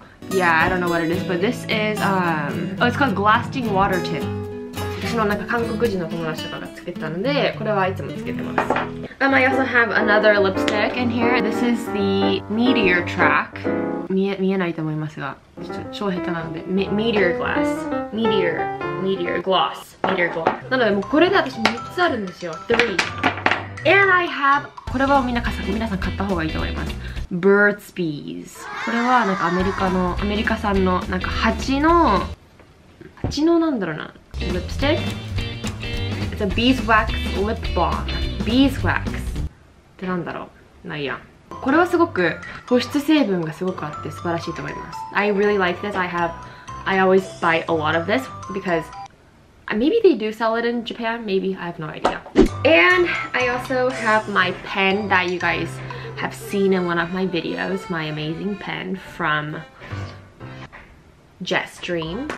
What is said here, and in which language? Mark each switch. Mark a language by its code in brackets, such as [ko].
[en] Yeah, I don't know what it is, but this is, oh, it's called Glasting Water Tip. [ja] 私のなんか韓国人の友達とかがつけたので、これはいつもつけてます。 [en] I also have another lipstick in here. This is the Meteor Track. [ja] 見えないと思いますが、ちょっと超下手なので、Meteor Glass. [en] Meteor Gloss. Meteor Gloss. [ja] なので、もうこれで私3つあるんですよ。 [en] 3. And I have... [ja] これは皆さん買った方がいいと思います。 [en] Bird's Bees. [ja] これはなんかアメリカ産のなんか蜂のなんだろうな。 [en] Lipstick. It's a beeswax lip balm. Beeswax. [ja] ってなんだろう。ないや。これはすごく保湿成分がすごくあって素晴らしいと思います。 [en] I really like this. I always buy a lot of this because maybe they do sell it in Japan. Maybe I have no idea. And I also have my pen that you guys have seen in one of my videos. My amazing pen from. Jet Stream.